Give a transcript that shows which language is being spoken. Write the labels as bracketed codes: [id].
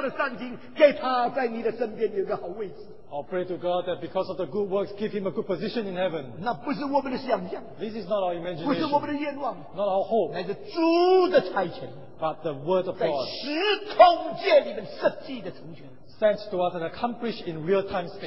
[zh] 祷告上帝啊，求你照着他的善行，给他在你的身边有个好位置。 [en] I'll pray to God that because of the good works, give him a good position in heaven. [zh] 那不是我们的想象, [en] this is not our imagination. [zh] 不是我们的愿望, [en] not our hope. [zh] 乃是主的差遣, [en] but the word of God. [zh] 在时空界里面设计的成全, [en] sent to us and accomplished in real time space.